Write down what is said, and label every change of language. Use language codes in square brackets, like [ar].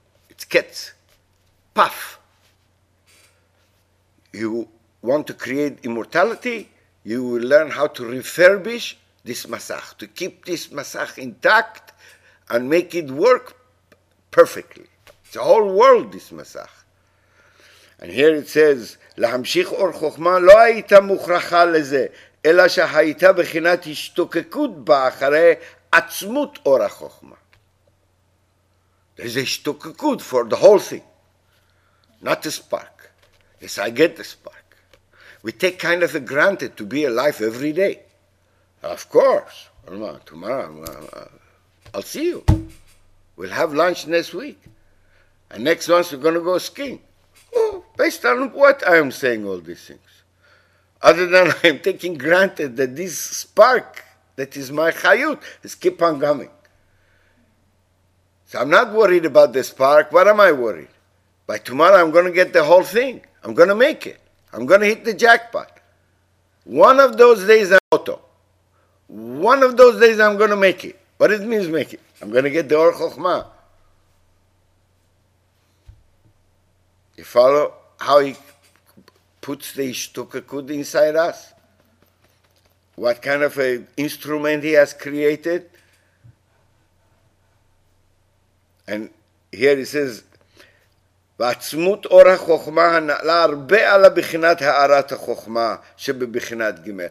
[en] It's ketz, puff. You want to create immortality, you will learn how to refurbish this masach, to keep this masach intact and make it work perfectly. It's the whole world, this masach. And here it says, [he] להמשיך אור חוכמה לא היית מוכרחה לזה, אלא שהיית בחינת השתוקקות באחרי עצמות אור החוכמה. [en] There's a השתוקקות for the whole thing. Not a spark. Yes, I get the spark. We take kind of a granted to be alive every day. Of course. Tomorrow, I'll see you. We'll have lunch next week. And next month we're going to go skiing. Oh, based on what I am saying all these things? Other than I am taking granted that this spark that is my chayut is keep on coming. So I'm not worried about the spark. What am I worried? By tomorrow I'm going to get the whole thing. I'm going to make it. I'm going to hit the jackpot. One of those days I'm auto. One of those days I'm going to make it. What it means make it? I'm going to get the Or Chokmah. You follow how he puts the Ishtukakud inside us? What kind of an instrument he has created? And here he says, [he] ועצמות אור החוכמה נעלה הרבה על הבחינת הערת החוכמה שבבחינת ג'.